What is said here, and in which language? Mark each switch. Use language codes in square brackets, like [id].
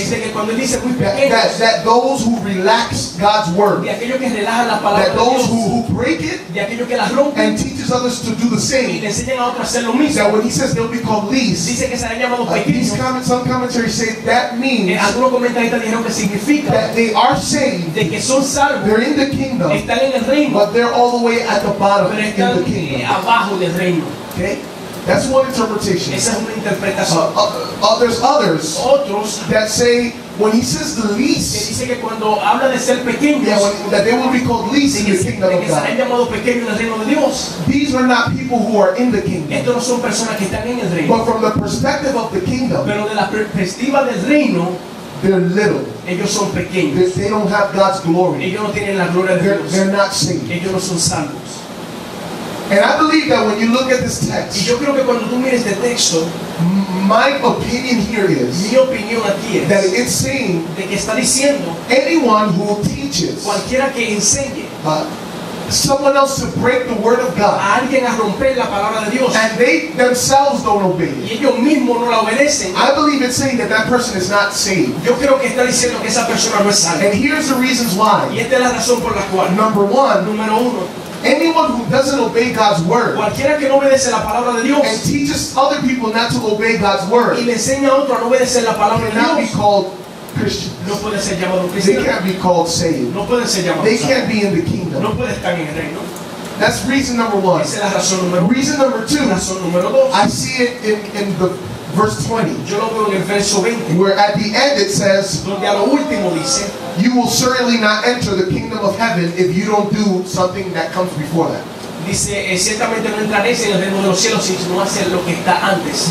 [es] Es de que cuando él dice muy pequeños. [en] That those who relax God's word. [es] De aquellos que relajan la palabra. [en] That those who break it. [es] De aquellos que las rompen. [en] And teaches others to do the same. [es] Y le enseñan a otros a hacer lo mismo. [en] That when he says they'll be called least. [es] Dice que serán llamados pequeños. [en] Some commentaries say that means. [es] Algunos comentaristas dijeron que significa. [en] That they are saved. [es] De que son salvos. [en] They're in the kingdom. [es] Están en el reino. [en] But they're all the way at the bottom in the kingdom. [es] Abajo del reino. [en] Okay? That's one interpretation. [es] Esa es una interpretación. [en] There's others [es] otros [en] that say when he says the least, [es] que dice que cuando habla de ser pequeños, [en] yeah, that they will be called least in the kingdom [es] que serán llamados pequeños en el reino de Dios. [en] These are not people who are in the kingdom. [es] Estos no son personas que están en el reino. [en] But from the perspective of the kingdom, [es] pero de la perspectiva del reino, [en] they're little. [es] Ellos son pequeños. [en] They don't have God's glory. [es] Ellos no tienen la gloria de Dios. [en] They're not saved. [es] Ellos no son salvos. [en] And I believe that when you look at this text, [es] y yo creo que cuando tú mires este texto, [en] my opinion here is, [es] mi opinión aquí es, [en] that it's saying, [es] de que está diciendo, [en] anyone who teaches, [es] cualquiera que enseñe, [en] someone else to break the word of God, [es] a alguien a romper la palabra de Dios, [en] and they themselves don't obey it, [es] y ellos mismos no la obedecen, [en] I believe it's saying that person is not saved. [es] Yo creo que está diciendo que esa persona no es salva. [en] And here's the reasons why. [es] Y esta es la razón por la cual. [en] Number one. [es] Número uno. [en] Anyone who doesn't obey God's word, [es] cualquiera que no obedece la palabra de Dios, [en] and teaches other people not to obey God's word, [es] y le enseña a otro a no obedecer la palabra de Dios, [en] be called Christians. [es] No puede ser llamado cristiano. [en] They can't be called saved. [es] No puede ser llamado. [en] They can't be in the kingdom. [es] No puede estar en el reino. [en] That's reason number one. [es] Esa es la razón número uno. [en] Reason number two. [es] Razón número dos. [en] I see it in the verse 20. [es] Yo lo veo en el verso 20. [en] Where at the end it says, [es] donde a lo último dice, [en] you will certainly not enter the kingdom of heaven if you don't do something that comes before that. [es] Dice, ciertamente no entraréis en el reino de los cielos si no haces lo que está antes.